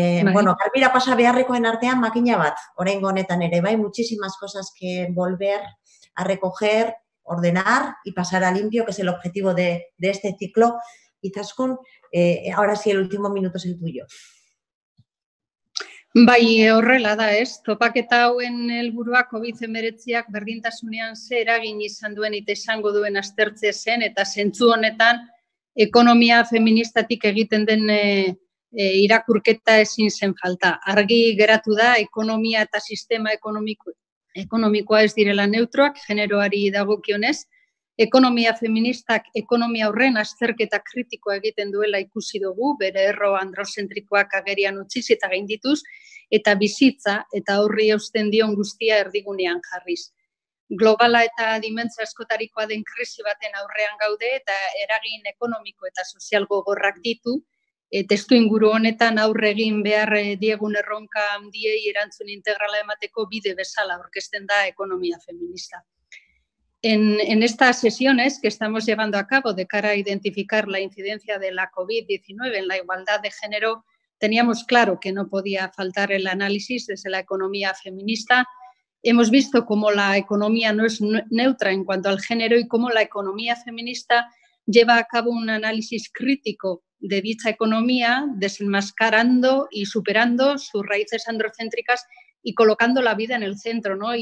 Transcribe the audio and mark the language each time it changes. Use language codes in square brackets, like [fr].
[es] Bueno, [eu] Garbira pasa beharrekoen artean makina bat, orain honetan ere, bai, [es] muchísimas cosas que volver a recoger, ordenar y pasar a limpio, que es el objetivo de este ciclo, quizás con, ahora sí, el último minuto es el tuyo. [eu] Bai, horrela da, ez? Topaketa hauen helburua COVID-19ak berdintasunean zer eragin izan duen eta izango duen aztertze zen, eta zentzu honetan ekonomia feministatik egiten den irakurketa ezin zen falta. Argi geratu da, ekonomia eta sistema ekonomikoa ez direla neutroak, generoari dagokionez. Ekonomia feministak ekonomia horren azterketa kritikoa egiten duela ikusi dugu, bere erro androzentrikoak agerian utziz eta gaindituz, eta bizitza eta horri eusten dion guztia erdigunean jarriz. Globala eta dimentsio askotarikoa den krisi baten aurrean gaude eta eragin ekonomiko eta sozial gogorrak ditu, testu inguru honetan aurre egin behar diegun erronka handiei erantzun integrala emateko bide bezala aurkezten da ekonomia feminista. [es] En estas sesiones que estamos llevando a cabo de cara a identificar la incidencia de la COVID-19 en la igualdad de género, teníamos claro que no podía faltar el análisis desde la economía feminista. Hemos visto cómo la economía no es neutra en cuanto al género y cómo la economía feminista lleva a cabo un análisis crítico de dicha economía, desenmascarando y superando sus raíces androcéntricas y colocando la vida en el centro, ¿no?